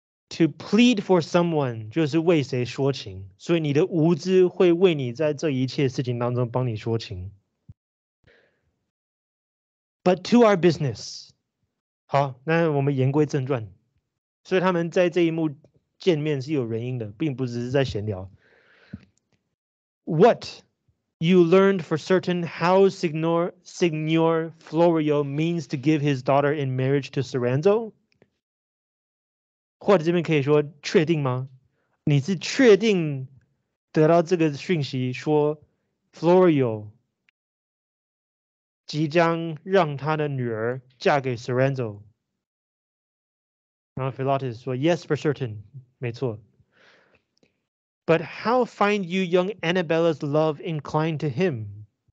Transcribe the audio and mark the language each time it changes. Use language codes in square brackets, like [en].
[en] To plead for someone [zh] 就是为谁说情，所以你的无知会为你在这一切事情当中帮你说情。 [en] But to our business， [zh] 好，那我们言归正传。所以他们在这一幕见面是有原因的，并不只是在闲聊。 [en] What you learned for certain how Signor Florio means to give his daughter in marriage to Soranzo? [zh] 或者这边可以说确定吗？你是确定得到这个讯息，说 Florio 即将让他的女儿嫁给 Soranzo？然后 [en] Philotas [zh] 说 [en] Yes, for certain， [zh] 没错。 [en] But how find you young Annabella's love inclined to him？